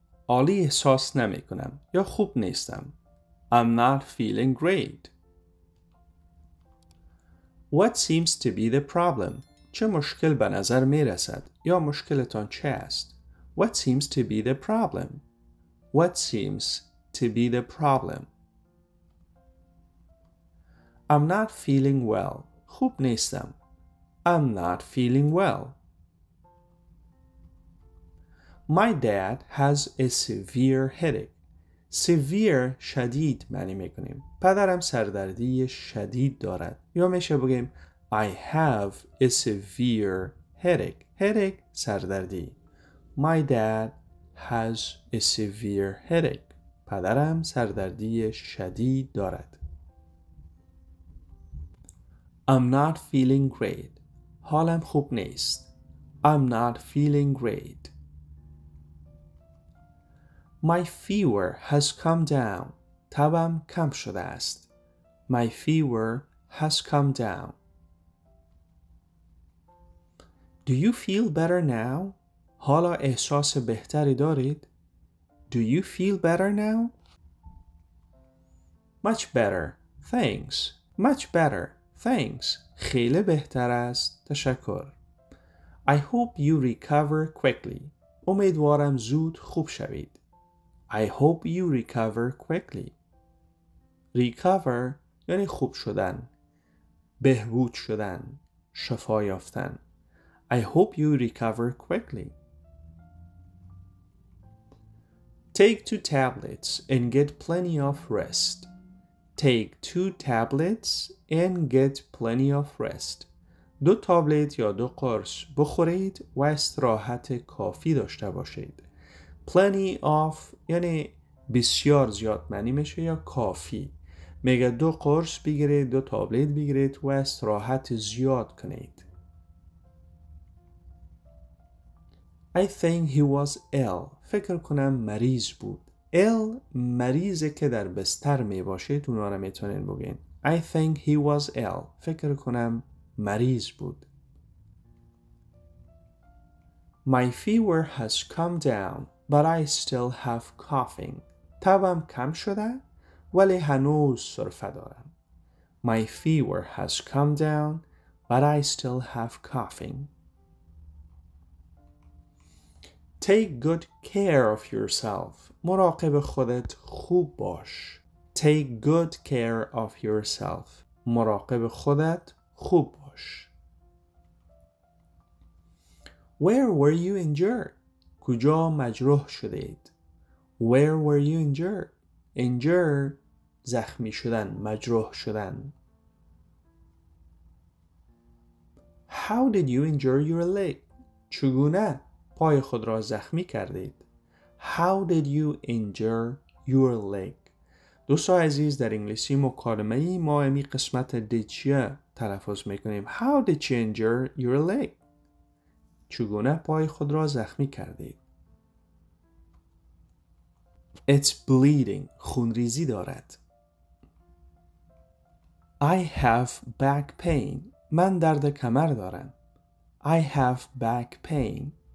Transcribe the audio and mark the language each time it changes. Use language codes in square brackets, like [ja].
[fa] عالی احساس نمی کنم یا خوب نیستم. [en] I'm not feeling great. What seems to be the problem? [fa] چه مشکل به نظر می رسد یا مشکلتان چه است؟ [en] What seems to be the problem? What seems to be the problem? I'm not feeling well. [fa] خوب نیستم. [en] I'm not feeling well. My dad has a severe headache. [fa] Severe شدید معنی میکنیم. پدرم سردردی شدید دارد. یا میشه بگیم [en] I have a severe headache. Headache سردردی. My dad has a severe headache. [fa] پدرم سردردی شدید دارد. [en] I'm not feeling great. [fa] حالم خوب نیست. [en] I'm not feeling great. My fever has come down. [fa] تبم کم شده است. [en] My fever has come down. Do you feel better now? [fa] حالا احساس بهتری دارید؟ [en] Do you feel better now? Much better. Thanks. Much better. Thanks. [fa] خیلی بهتر است. تشکر. [en] I hope you recover quickly. [fa] امیدوارم زود خوب شوید. [en] I hope you recover quickly. [fa] Recover یعنی خوب شدن. بهبود شدن. شفا یافتن. [en] I hope you recover quickly. Take 2 tablets and get plenty of rest. Take 2 tablets and get plenty of rest. [fa] دو تبلت یا دو قرص بخورید و استراحت کافی داشته باشید. Plenty of یعنی بسیار زیاد معنی میشه یا کافی. میگه دو قرص بگیرید، دو تبلت بگیرید و استراحت زیاد کنید. [en] I think he was ill. [fa] فکر کنم مریض بود. ill مریضی که در بستر می باشید اونا رو میتونین بگین. [en] I think he was ill. [fa] فکر کنم مریض بود. [en] My fever has come down, but I still have coughing. [fa] تبم کم شده ولی هنوز سرفه دارم. [en] My fever has come down, but I still have coughing. Take good care of yourself. [fa] مراقب خودت خوب باش. [en] Take good care of yourself. [fa] مراقب خودت خوب باش. [en] Where were you injured? [fa] کجا مجروح شدید؟ [en] Where were you injured? [fa] Injured زخمی شدن، مجروح شدن. [en] How did you injure your leg? [fa] چگونه پای خود را زخمی کردید؟ [en] How did you injure your leg? [fa] دوستا عزیز، در انگلیسی مکالمه ای ما امی قسمت دیچیه تلفظ میکنیم. [en] How did you injure your leg? [fa] چگونه پای خود را زخمی کردید؟ [en] It's bleeding. [fa] خونریزی دارد. [en] I have back pain. [fa] من درد کمر دارم. [en] I have back pain.